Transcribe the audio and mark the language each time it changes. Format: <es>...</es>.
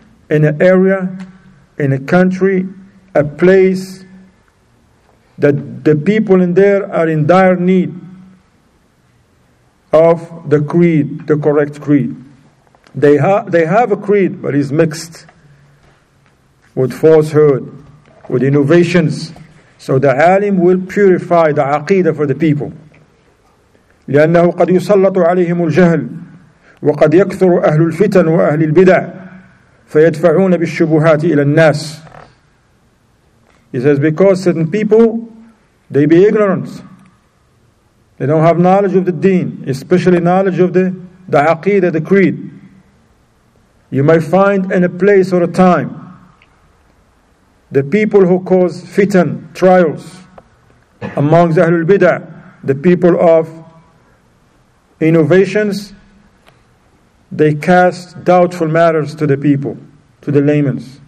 <en>in an area, in a country, a place that the people in there are in dire need of the creed, the correct creed. They have a creed, but it's mixed with falsehood, with innovations. So the alim will purify the aqeedah for the people.</en> <ar>لأنه قد يسلط عليهم الجهل وقد يكثر أهل الفتن وأهل البدع فيدفعون بالشبهات إلى الناس.</ar> <en>He says, because certain people, they be ignorant, they don't have knowledge of the deen, especially knowledge of the aqeedah, the creed. You may find in a place or a time the people who cause fitan, trials amongst أهل البدع, the people of innovations, they cast doubtful matters to the people, to the laymen.</en>